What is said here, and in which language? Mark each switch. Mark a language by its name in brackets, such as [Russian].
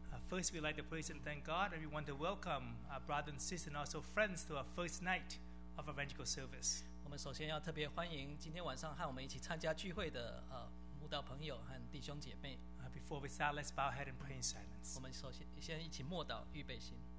[English] First, we'd like to praise and thank God, and we want to welcome our brothers and sisters and also friends to our first night of evangelical service. [Chinese] 我们首先要特别欢迎今天晚上和我们一起参加聚会的慕道朋友和弟兄姐妹。 [English] Before we start, let's bow our head and pray in silence. [Chinese] 我们首先先一起默祷，预备心。